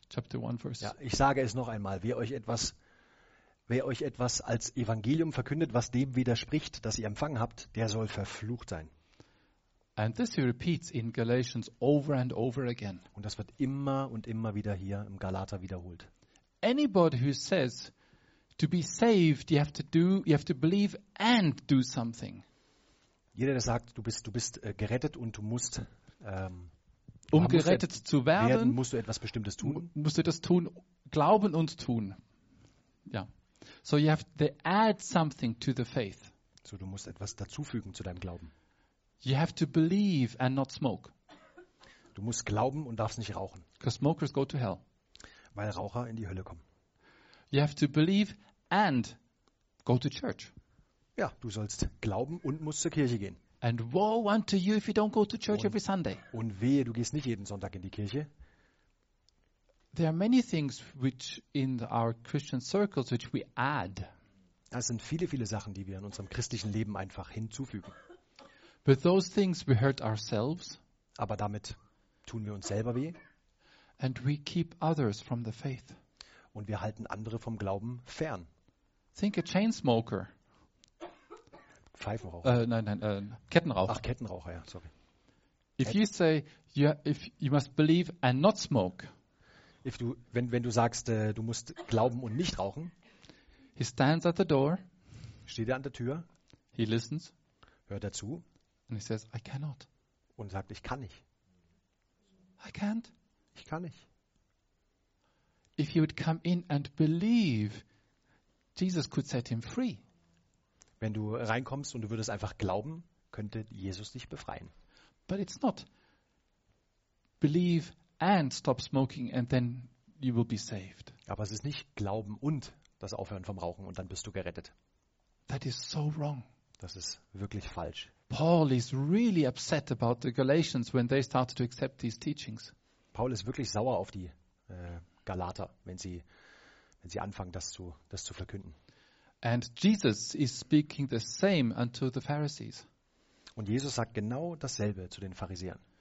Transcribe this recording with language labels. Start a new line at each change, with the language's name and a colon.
English: Chapter 1, verse.
German: Ja, ich sage es noch einmal, wer euch etwas als Evangelium verkündet, was dem widerspricht, das ihr empfangen habt, der soll verflucht sein.
English: And this he repeats in Galatians over and over again.
German: Und das wird immer und immer wieder hier im Galater wiederholt.
English: Anybody who says, to be saved, you have to believe and do something.
German: Jeder, der sagt, du bist gerettet und du musst gerettet zu werden, musst du etwas Bestimmtes tun. Musst du das tun, glauben und tun. Ja.
English: So you have to add something to the faith.
German: So du musst etwas dazufügen zu deinem Glauben.
English: You have to believe and not smoke.
German: Du musst glauben und darfst nicht rauchen.
English: Because smokers go to hell.
German: Weil Raucher in die Hölle kommen.
English: You have to believe and go to church.
German: Ja, du sollst glauben und musst zur Kirche gehen.
English: And woe unto you if you don't go to church every Sunday.
German: Und wehe, du gehst nicht jeden Sonntag in die Kirche.
English: There are many things which in our Christian circles which we add.
German: Das sind viele, viele Sachen, die wir in unserem christlichen Leben einfach hinzufügen.
English: But those things we hurt ourselves.
German: Aber damit tun wir uns selber weh.
English: And we keep others from the faith.
German: Und wir halten andere vom Glauben fern.
English: Think a chain smoker.
German: Pfeifenraucher. Kettenraucher. Ach, Kettenraucher, ja, sorry.
English: If you must believe and not smoke.
German: Wenn du sagst, du musst glauben und nicht rauchen.
English: He stands at the door.
German: Steht er an der Tür.
English: He listens.
German: Hört er zu.
English: And he says, I cannot.
German: Und sagt, ich kann nicht.
English: I can't.
German: Ich kann nicht.
English: If he would come in and believe, Jesus could set him free.
German: Wenn du reinkommst und du würdest einfach glauben, könnte Jesus dich befreien.
English: But it's not. Believe and stop smoking and then you will be saved.
German: Aber es ist nicht glauben und das Aufhören vom Rauchen und dann bist du gerettet.
English: That is so wrong.
German: Das ist wirklich falsch.
English: Paul is really upset about the Galatians when they started to accept these teachings.
German: Paul ist wirklich sauer auf die Galater, wenn sie wenn sie anfangen, das zu verkünden.
English: And Jesus is speaking the same unto the Pharisees.
German: Und Jesus sagt genau dasselbe zu den Pharisäern.